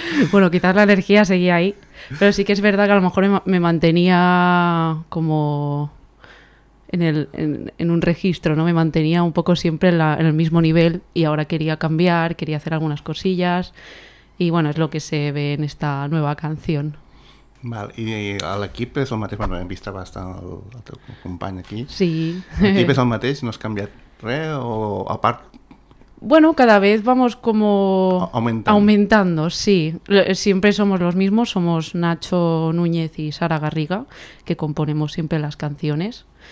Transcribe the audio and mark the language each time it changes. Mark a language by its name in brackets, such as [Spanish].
[Spanish] Bueno, quizás la energía seguía ahí, pero sí que es verdad que a lo mejor me mantenía como en un registro, ¿no? Me mantenía un poco siempre en el mismo nivel y ahora quería cambiar, quería hacer algunas cosillas y bueno, es lo que se ve en esta nueva canción. [Catalan] Vale, i l'equip és el mateix? Bueno, hem vist bastant el teu company aquí. Sí. L'equip és el mateix? No has canviat res? O a part... [Spanish] Bueno, cada vez vamos como aumentando, sí. Siempre somos los mismos, somos Nacho Núñez y Sara Garriga, que componemos siempre las canciones.